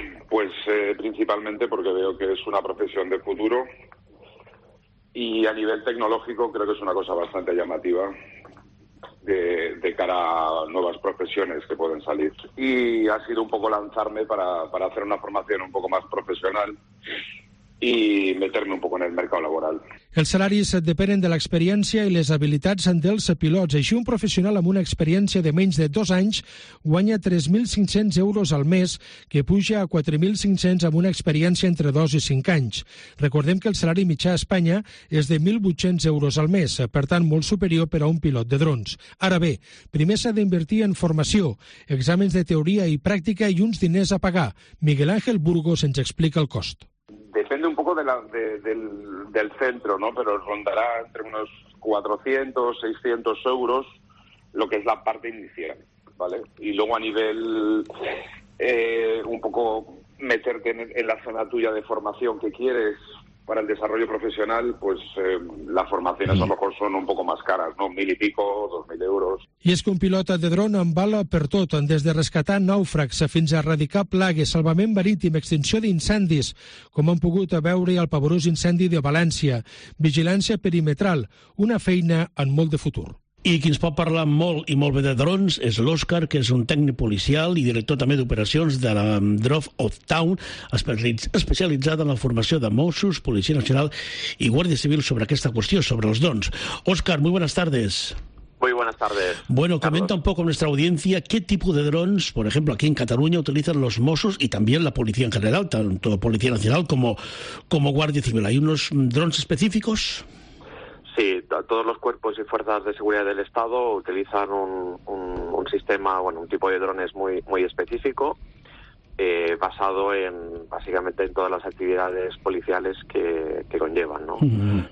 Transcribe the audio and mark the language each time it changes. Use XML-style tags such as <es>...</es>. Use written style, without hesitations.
<es>Pues principalmente porque veo que es una profesión de futuro y a nivel tecnológico creo que es una cosa bastante llamativa de cara a nuevas profesiones que pueden salir. Y ha sido un poco lanzarme para hacer una formación un poco más profesional y meterme un poco en el mercado laboral.</es> <ca>Els salaris depenen de l'experiència i les habilitats dels pilots. Així, un professional amb una experiència de menys de 2 anys guanya 3.500 euros al mes, que puja a 4.500 amb una experiència entre 2 i 5 anys. Recordem que el salari mitjà a Espanya és de 1.800 euros al mes, per tant, molt superior per a un pilot de drons. Ara bé, primer s'ha d'invertir en formació, exàmens de teoria i pràctica i uns diners a pagar. Miguel Ángel Burgos ens explica el cost.</ca> <es>Depende un poco del centro, ¿no? Pero rondará entre unos 400, 600 euros lo que es la parte inicial, ¿vale? Y luego a nivel un poco meterte en la zona tuya de formación que quieres para el desarrollo profesional, pues las formaciones a lo mejor son un poco más caras, ¿no? 1.000 y pico, 2.000 euros.</es> <ca>I és que un pilot de dron en bala per tot, des de rescatar nàufrags fins a erradicar plagues, salvament marítim, extinció d'incendis, com han pogut veure el pavorós incendi de València, vigilància perimetral, una feina en molt de futur. I qui ens pot parlar molt i molt bé de drons és l'Òscar, que és un tècnic policial i director també d'operacions de la Drove of Town, especialitzat en la formació de Mossos, Policia Nacional i Guàrdia Civil sobre aquesta qüestió, sobre els drons.</ca> <es>Òscar, muy buenas tardes. Muy buenas tardes. Bueno, comenta un poco a nuestra audiencia qué tipo de drones, por ejemplo, aquí en Cataluña utilizan los Mossos y también la Policía en general, tanto Policía Nacional como Guàrdia Civil. ¿Hay unos drones específicos? Sí, todos los cuerpos y fuerzas de seguridad del Estado utilizan un sistema, bueno, un tipo de drones muy muy específico, basado en básicamente en todas las actividades policiales que conllevan, ¿no? Uh-huh.</es>